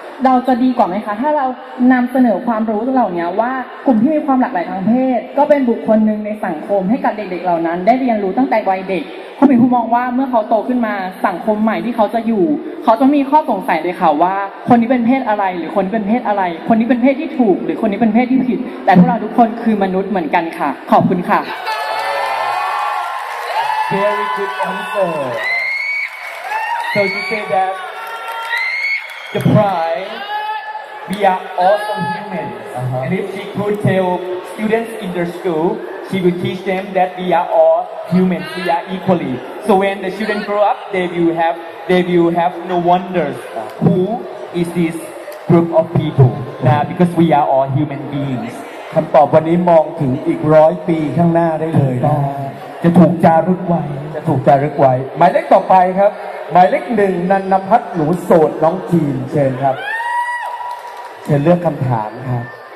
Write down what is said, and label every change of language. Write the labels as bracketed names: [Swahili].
[Thai] เราจะดีกว่าไหมคะถ้าเรานำเสนอความรู้เหล่านี้ว่ากลุ่มที่มีความหลากหลายทางเพศก็เป็นบุคคลนึงในสังคมให้กับเด็กๆเหล่านั้นได้เรียนรู้ตั้งแต่วัยเด็กเพราะมิภูมองว่าเมื่อเขาโตขึ้นมาสังคมใหม่ที่เขาจะอยู่เขาต้องมีข้อสงสัยเลยค่ะว่าคนนี้เป็นเพศอะไรหรือคนนี้เป็นเพศอะไรคนนี้เป็นเพศที่ถูกหรือคนนี้เป็นเพศที่ผิดแต่พวกเราทุกคนคือมนุษย์เหมือนกันค่ะขอบคุณค่ะ [English] Very good answer So you say that the pride we are awesome humans and if she could tell students in their school she would teach them that we are allhumans we are equally so when the children grow up they will have no wonders who is this group of people nah, because we are all human beings [Thai] คำตอบวันนี้มองถึงอีก100ปีข้างหน้าได้เลยนะ จะถูกจารึกไว้จะถูกจารึกไว้หมายเลขต่อไปครับหมายเลข1นันนภัทรหนูโสดน้องจีนเชิญครับเชิญเลือกคำถามครับ